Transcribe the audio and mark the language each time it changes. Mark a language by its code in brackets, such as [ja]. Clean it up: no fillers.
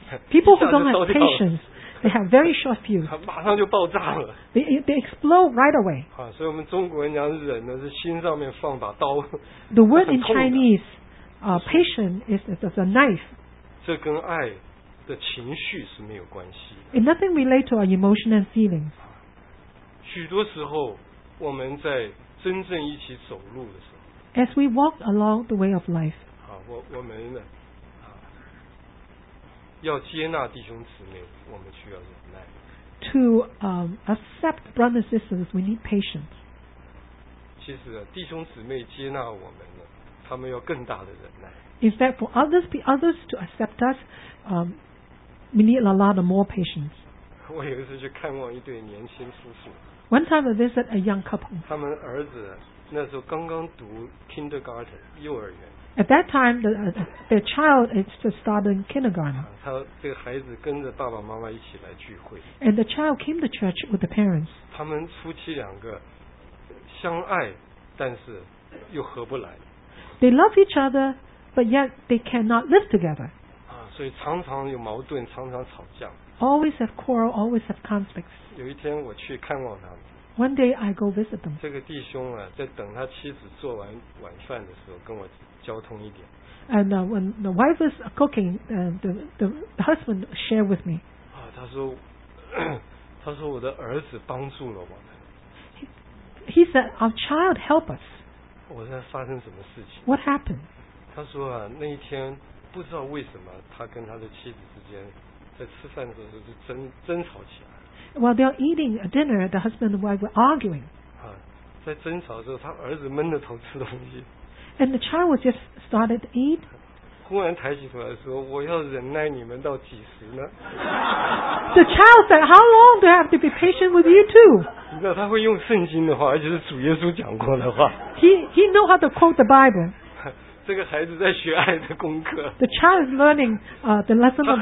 [en] People who don't have patience, they have very short fuse. [zh] 马上就爆炸了。 [en] They explode right away. [zh] 啊，所以我们中国人讲忍呢，是心上面放把刀。 [en] The word in Chinese, patience is a knife. [zh] 这跟爱的情绪是没有关系。 [en] It nothing relate to our emotion and feelings. [zh] 许多时候，我们在真正一起走路的时候 [en] ，As we walk along the way of life. [zh] 好，我们呢。要接纳弟兄姊妹，我们需要忍耐。 [en] To accept brothers and sisters, we need patience. [zh] 其实啊，弟兄姊妹接纳我们呢，他们要更大的忍耐。 [en] Is that for others? Be others to accept us? We need a lot of more patience. [zh] 我有一次去看望一对年轻夫妇。 [en] One time I visited a young couple. [zh] 他们儿子那时候刚刚读 kindergarten 幼儿园。 [en] At that time, the child is just starting kindergarten. [zh] 他这个孩子跟着爸爸妈妈一起来聚会。 [en] And the child came to church with the parents. [zh] 他们夫妻两个相爱，但是又合不来。 [en] They love each other, but yet they cannot live together. [zh] 啊，所以常常有矛盾，常常吵架。 [en] Always have quarrel, always have conflicts. [zh] 有一天我去看望他们。 [en] One day I go visit them. [zh] 这个弟兄啊，在等他妻子做完晚饭的时候，跟我。 [en] And when the wife was cooking, the husband shared with me. [zh] 啊，他说我的儿子帮助了我们。 [en] He said our child helped us. [zh] 我在发生什么事情 [en] ？What happened? [zh] 他说啊，那一天不知道为什么他跟他的妻子之间在吃饭的时候就争吵起来了。 [en] While they are eating a dinner, the husband and wife were arguing. [zh] 啊，在争吵的时候，他儿子闷着头吃东西。 [en] And the child was just started to eat. [zh] 忽然抬起头来说，我要忍耐你们到几时呢？ [en] The child said, how long do I have to be patient with you too? [zh] 你知道他会用圣经的话，而且是主耶稣讲过的话。 [en] He know how to quote the Bible. [zh] 这个孩子在学爱的功课。 [en] The child is learning the lesson of love.